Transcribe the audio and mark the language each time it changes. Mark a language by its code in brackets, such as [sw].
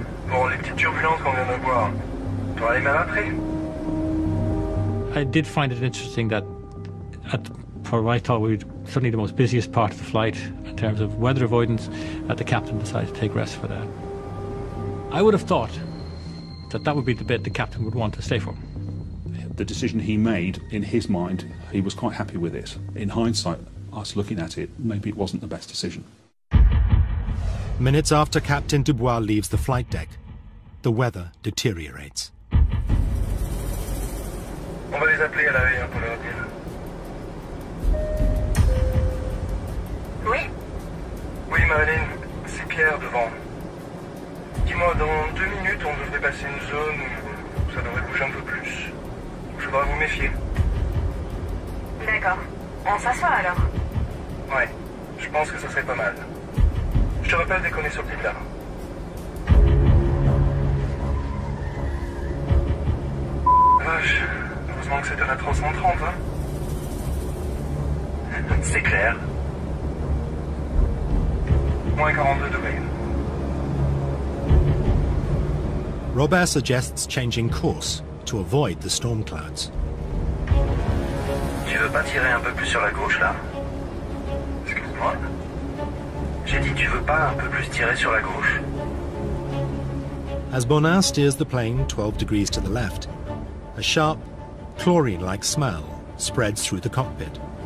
[fr] Bon, les petites turbulences qu'on vient de voir. Tu vas aller mal après? [en] I did find it interesting that suddenly the most busiest part of the flight in terms of weather avoidance, that the captain decided to take rest for that. I would have thought that that would be the bit the captain would want to stay for. The decision he made, in his mind, he was quite happy with it. In hindsight, us looking at it, maybe it wasn't the best decision. Minutes after Captain Dubois leaves the flight deck, the weather deteriorates. [fr] On va les appeler à la veille pour leur dire. Oui? Oui, Marilyn, c'est Pierre devant. Dis-moi, dans deux minutes, on devrait passer une zone où ça devrait bouger un peu plus. Il faudra vous méfier. D'accord. On s'assoit alors? Ouais, je pense que ça serait pas mal. Je te rappelle dès qu'on est sur le type là. Vache. Heureusement que c'est de la 330, hein. C'est clair. Moins 42 degrés. [en] Robert suggests changing course to avoid the storm clouds. [fr] Tu veux pas tirer un peu plus sur la gauche, là? Excuse-moi. J'ai dit, tu veux pas un peu plus tirer sur la gauche? [en] As Bonin steers the plane 12 degrees to the left, a sharp, chlorine-like smell spreads through the cockpit.